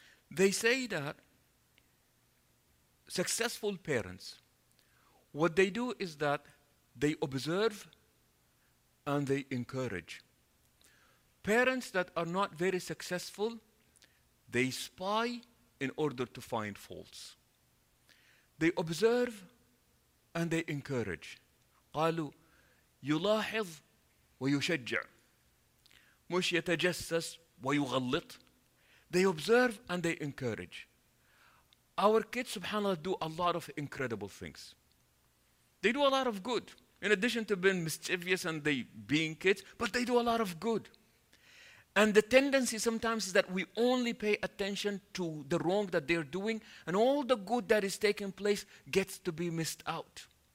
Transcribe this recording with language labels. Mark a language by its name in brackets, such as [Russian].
[English] They say that successful parents, what they do is that they observe and they encourage. Parents that are not very successful, they spy in order to find faults. They observe and they encourage. [Arabic] قالوا يلاحظ ويشجع مش يتجسس ويغلط. [English] They observe and they encourage. Our kids, subhanAllah, do a lot of incredible things. They do a lot of good. In addition to being mischievous and they being kids, but they do a lot of good. And the tendency sometimes is that we only pay attention to the wrong that they're doing, and all the good that is taking place gets to be missed out.